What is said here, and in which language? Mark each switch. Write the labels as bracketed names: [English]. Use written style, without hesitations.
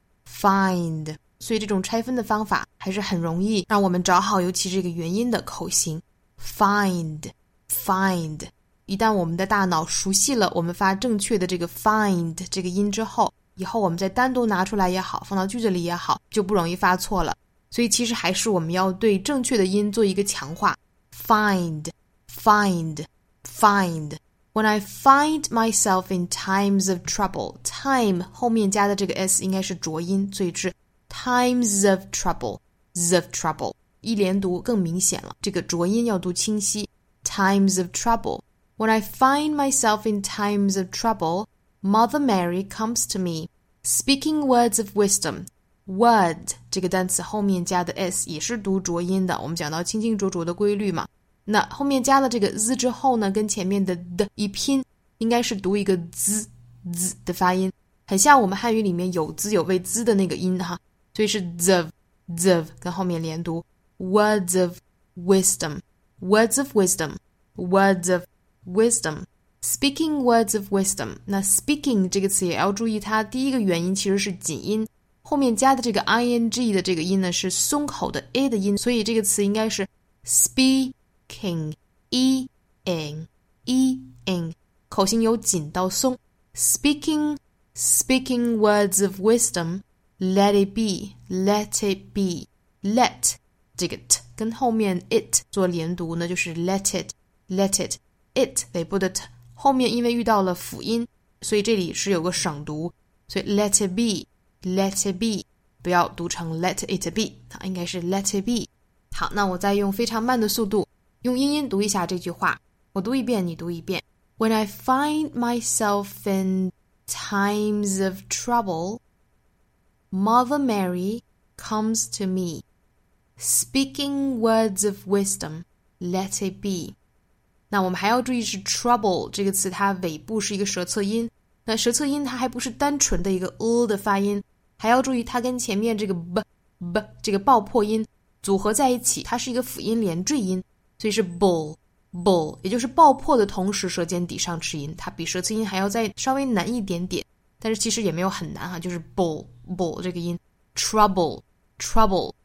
[Chinese] find,所以这种拆分的方法还是很容易让我们找好尤其这个元音的口型 find find, 一旦我们的大脑熟悉了我们发正确的这个 find 这个音之后，以后我们再单独拿出来也好放到句子里也好就不容易发错了。所以其实还是我们要对正确的音做一个强化 find find find. [English] When I find myself in times of trouble, [Chinese] time 后面加的这个 s 应该是浊音，所以是 [English] Times of trouble, of trouble, [Chinese] 一连读更明显了，这个浊音要读清晰。 [English] Times of trouble. When I find myself in times of trouble, Mother Mary comes to me, speaking words of wisdom. [Chinese] Word, 这个单词后面加的 s 也是读浊音的，我们讲到清清浊浊的规律嘛。那后面加了这个 z 之后呢，跟前面的 d 一拼，应该是读一个 z, z 的发音，很像我们汉语里面有滋有味滋的那个音哈。所以是 [English] zv, zv, [Chinese] 跟后面连读 [English] words of wisdom, words of wisdom, words of wisdom, speaking words of wisdom. [Chinese] 那 speaking 这个词也要注意它第一个元音其实是紧音，后面加的这个 ing 的这个音呢是松口的 a 的音，所以这个词应该是 speaking, e-ing, e-ing, 口型由紧到松 [English] speaking, speaking words of wisdom,Let it be, let it be, let, [Chinese] 这个 t, 跟后面 it 做连读呢就是 let it, let it, it, 尾部的 t, 后面因为遇到了辅音所以这里是有个省读，所以 [English] let it be, let it be, [Chinese] 不要读成 let it be, 它应该是 let it be. 好，那我再用非常慢的速度用英音读一下这句话，我读一遍你读一遍。 [English] When I find myself in times of trouble,Mother Mary comes to me, speaking words of wisdom, let it be. [Chinese] 那我们还要注意是 trouble 这个词它尾部是一个舌侧音，那舌侧音它还不是单纯的一个 l 的发音，还要注意它跟前面这个 b b 这个爆破音组合在一起，它是一个辅音连缀音，所以是 bull bull， 也就是爆破的同时舌尖抵上齿音，它比舌侧音还要再稍微难一点点，但是其实也没有很难哈，就是 bull bull 这个音 [English] trouble trouble。